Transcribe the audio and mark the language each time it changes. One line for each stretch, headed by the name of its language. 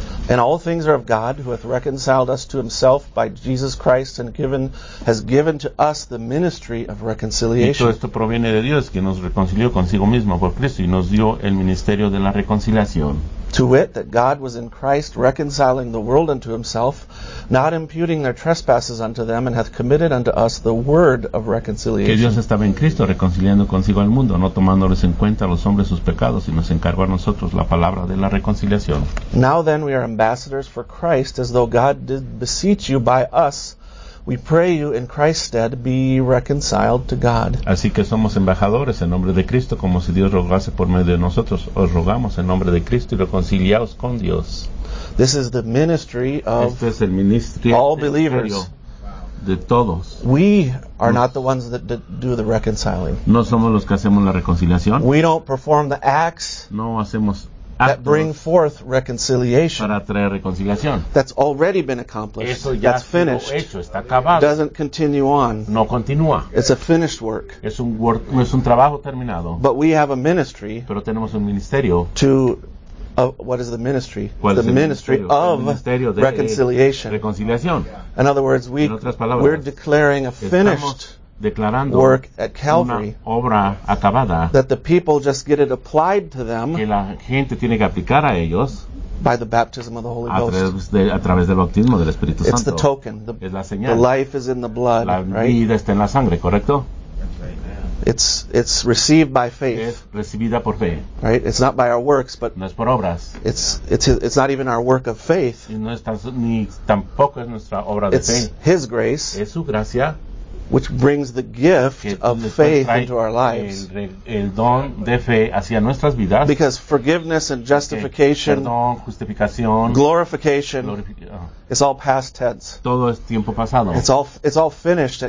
English: And all things are of God, who hath reconciled us to himself by Jesus Christ, and has given to us the ministry of reconciliation.
Spanish: Y todo esto proviene de Dios, que nos reconcilió consigo mismo por Cristo, y nos dio el ministerio de la reconciliación.
English: To wit, that God was in Christ reconciling the world unto himself, not imputing their trespasses unto them, and hath committed unto us the word of reconciliation.
Spanish: Que Dios estaba en Cristo reconciliando consigo al mundo, no tomándoles en cuenta a los hombres sus pecados, y nos encargó a nosotros la palabra de la reconciliación.
English: Now then we are ambassadors for Christ, as though God did beseech you by us, we pray you in Christ's stead be reconciled to God.
Spanish: Así que somos embajadores en nombre de Cristo, como si Dios rogase por medio de nosotros. Os rogamos en nombre de Cristo y reconciliaos con Dios.
English: This is the ministry of
Spanish: este es el
English: all believers.
Spanish: De todos.
English: We are not the ones that do the reconciling.
Spanish: No somos los que hacemos la reconciliación.
English: We don't perform the acts.
Spanish: No hacemos
English: that bring forth reconciliation.
Spanish: Para traer reconciliación.
English: That's already been accomplished.
Spanish: Eso ya
English: that's finished.
Spanish: Hecho, está acabado.
English: Doesn't continue on.
Spanish: No continúa.
English: It's a finished work.
Spanish: Es un trabajo terminado.
English: But we have a ministry.
Spanish: Pero tenemos un ministerio.
English: To what is the ministry?
Spanish: ¿Cuál
English: the
Spanish: es el
English: ministry
Spanish: ministerio?
English: Of
Spanish: el ministerio de
English: reconciliation.
Spanish: Reconciliación.
English: In other words, we're declaring a finished
Spanish: declarando
English: work at Calvary,
Spanish: una obra acabada,
English: that the people just get it applied to them,
Spanish: que la gente tiene que aplicar a ellos,
English: by the baptism of the Holy Ghost.
Spanish: A través del bautismo del Espíritu Santo.
English: It's the token.
Spanish: Es la señal.
English: The life is in the blood.
Spanish: La vida está en la sangre, ¿correcto?
English: It's received by faith.
Spanish: Es recibida por fe.
English: Right? It's not by our works, but
Spanish: no es por obras.
English: It's not even our work of faith.
Spanish: Y no es tan, ni tampoco es nuestra obra de
English: it's
Spanish: fe.
English: His grace.
Spanish: Es su gracia.
English: which brings the gift of faith into our lives.
Spanish: El don de fe hacia nuestras vidas.
English: Because forgiveness and justification,
Spanish: perdón, justificación,
English: glorification, it's all past tense.
Spanish: Todo es tiempo pasado.
English: It's all finished at